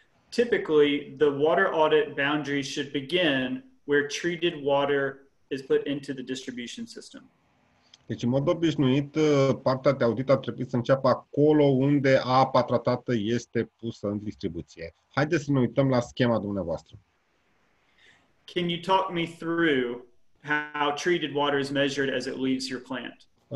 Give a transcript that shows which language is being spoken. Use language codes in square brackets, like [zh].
[en] Typically, the water audit boundary should begin where treated water is put into the distribution system. [ro] Deci, în mod obișnuit, partea de audit ar trebui să înceapă acolo unde apa tratată este pusă în distribuție. Haideți să ne uităm la schema dumneavoastră. [en] Can you talk me through how treated water is measured as it leaves your plant?